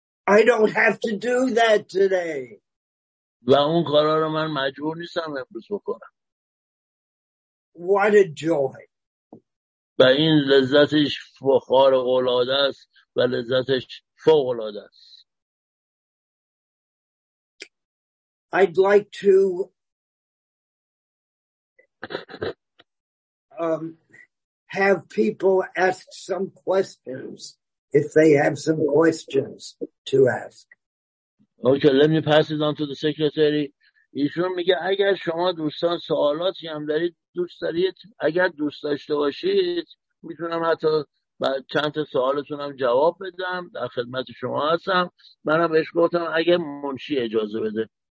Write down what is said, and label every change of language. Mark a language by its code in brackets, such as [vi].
[en] I don't have to do that today. [fa] و اون کارا رو من مجبور نیستم امروز بکنم. [en] What a joy. [fa] و این لذتش خارق العاده است و لذتش فوق العاده است. [en] I'd like to have people ask some questions if they have some questions to ask. Okay, let me pass it on to the secretary. [fa] ایشون میگه اگر شما دوستان سوالاتی هم دارید، دوست دارید، اگر دوست داشته باشید، میتونم حتی چند تا سوالتون هم جواب بدم، در خدمت شما هستم. منم بهش گفتم اگر منشی اجازه بده.